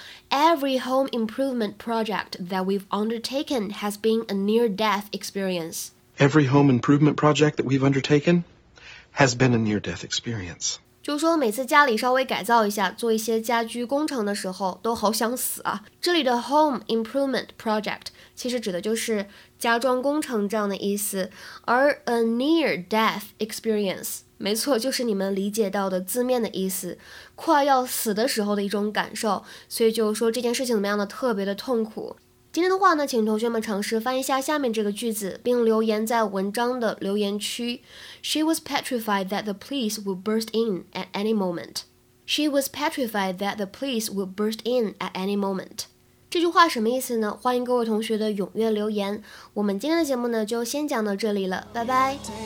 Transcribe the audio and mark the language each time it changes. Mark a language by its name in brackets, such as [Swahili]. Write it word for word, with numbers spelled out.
[English] Every home improvement project that we've undertaken has been a near-death experience. Every home improvement project that we've undertaken has been a near-death experience. [Chinese] 就是说每次家里稍微改造一下，做一些家居工程的时候都好想死啊。这里的 [English] Home Improvement Project [Chinese] 其实指的就是家装工程这样的意思，而 [English] a near death experience [Chinese] 没错，就是你们理解到的字面的意思，快要死的时候的一种感受，所以就说这件事情怎么样的特别的痛苦。今天的话呢，请同学们尝试翻译一下下面这个句子，并留言在文章的留言区。 [English] She was petrified that the police would burst in at any moment. She was petrified that the police would burst in at any moment. [Chinese] 这句话什么意思呢？欢迎各位同学的踊跃留言。我们今天的节目呢，就先讲到这里了，拜拜。